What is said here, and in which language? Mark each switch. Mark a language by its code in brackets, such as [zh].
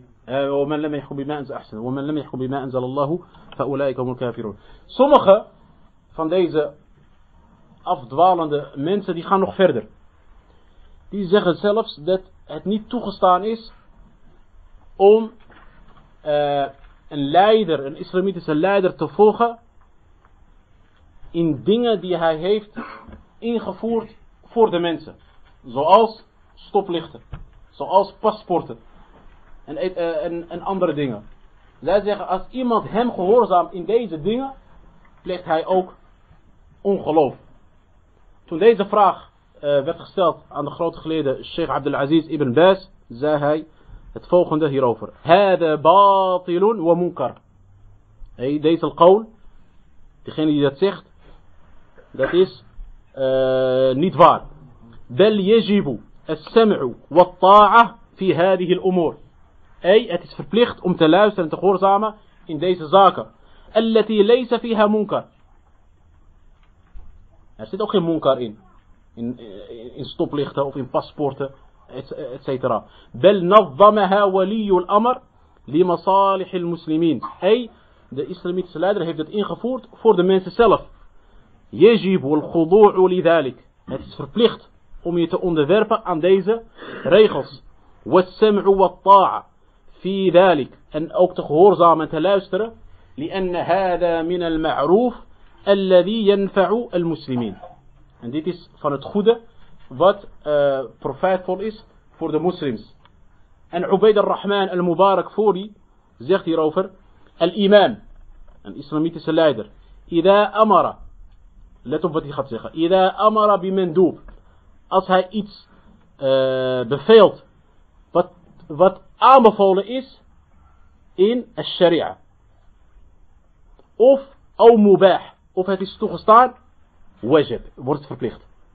[ar] ومن لم يحكم بما انزل احسن ومن لم يحكم بما انزل الله فاولئك هم الكافرون. [nl] Sommige van deze afdwalende mensen die gaan nog verder. Die zeggen zelfs dat het niet toegestaan is om een leider, een islamitische leider te volgen in dingen die hij heeft ingevoerd voor de mensen, zoals stoplichten, zoals paspoorten en andere dingen. Zij zeggen, als iemand hem gehoorzaamt in deze dingen, pleegt hij ook ongeloof. Toen deze vraag werd gesteld aan de grote geleerde Sheikh Abdul Aziz ibn Baz, zei hij het volgende hierover: [ar] هذا باطل ومنكر. [nl] Deze القول, degene die dat zegt, dat is niet waar. [ar] بل يجب السمع والطاعة في هذه الأمور. [nl] Het is verplicht om te luisteren en te gehoorzamen in deze zaken. [ar] التي ليس فيها منكر. [nl] Er zit ook geen munkar in stoplichten of in paspoorten, et cetera. [ar] بل نظمها ولي الأمر لمصالح المسلمين. [nl] De islamitische leider heeft het ingevoerd voor de mensen zelf. [ar] يجب الخضوع لذلك. [nl] Het is verplicht om je te onderwerpen aan deze regels. [ar] والسمع والطاعة في ذلك. [nl] En ook te gehoorzamen en te luisteren. [ar] لأن هذا من المعروف الذي ينفع المسلمين. [nl] En dit is van het goede wat profijtvol is voor de moslims. En Ubayd al-Rahman al-Mubarak Fouri zegt hierover: Al-imam, een islamitische leider, Ida amara, let op wat hij gaat zeggen, [ar] Ida amara bimendub, [nl] als hij iets beveelt wat aanbevolen is in al-Sharia, of al-Mubah, of het is toegestaan, wajib, wordt verplicht.